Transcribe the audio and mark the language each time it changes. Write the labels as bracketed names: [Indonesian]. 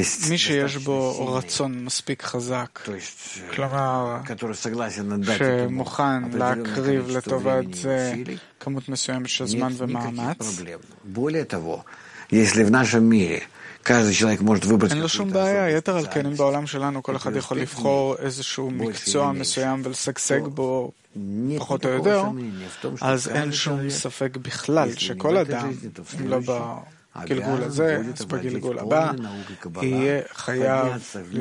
[Hebrew] מי שיש בו רצון מספיק חזק, כלומר, שמוכן להקריב לטובת זה כמות מסוימת של זמן ומאמץ. [Russian] более того, если в нашем мире каждый человек может выбрать [Hebrew] אין לו שום בעיה, יתר על כן, אם בעולם שלנו כל אחד יכול לבחור איזשהו מקצוע מסוים ולשגשג בו פחות או יותר, אז אין שום ספק בכלל שכל אדם, אם לא בגלגול הזה, אז בגלגול הבא, יהיה חייב